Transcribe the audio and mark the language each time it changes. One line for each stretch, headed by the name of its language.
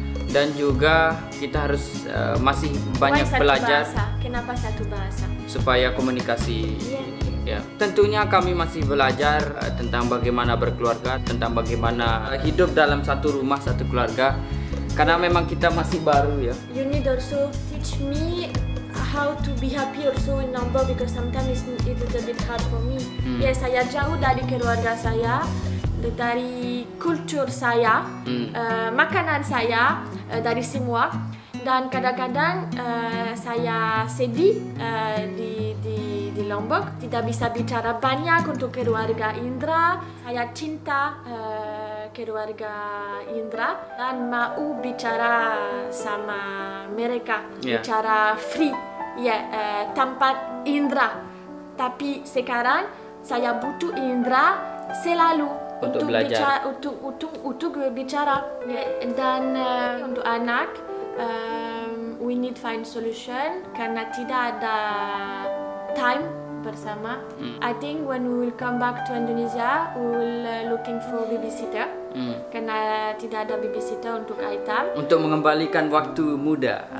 Indonesian: Dan juga kita harus masih banyak belajar. Bahasa? Kenapa satu bahasa? Supaya komunikasi. Tentunya kami masih belajar tentang bagaimana berkeluarga, tentang bagaimana hidup dalam satu rumah, satu keluarga. Karena memang kita masih baru ya.
English: You need also teach me how to be happy also in number, because sometimes it's a bit hard for me.
Indonesian: Yes, saya jauh dari keluarga saya, dari kultur saya, makanan saya, dari semua. Dan kadang-kadang saya sedih di Lombok, tidak bisa bicara banyak untuk keluarga Indra. Saya cinta keluarga Indra dan mau bicara sama mereka, bicara free, tanpa Indra. Tapi sekarang saya butuh Indra selalu untuk belajar, untuk bicara. Dan untuk anak,
English: we need find solution
Indonesian: karena tidak ada time bersama.
English: I think when we will come back to Indonesia, we will looking for babysitter.
Indonesian: Karena tidak ada babysitter untuk Aita. Untuk mengembalikan waktu muda.